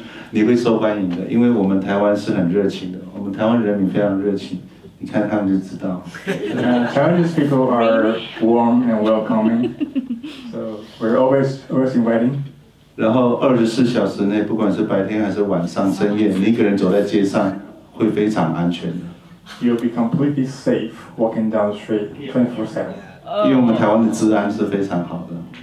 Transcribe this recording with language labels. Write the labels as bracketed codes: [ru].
[zh] 你会受欢迎的，因为我们台湾是很热情的，我们台湾人民非常热情，你看他们就知道。 [en] Taiwanese people are warm and welcoming, so we're always inviting. [zh] 然后二十四小时内，不管是白天还是晚上深夜，你一个人走在街上会非常安全的。 [en] You'll be completely safe walking down the street 24/7. [zh] 因为我们台湾的治安是非常好的。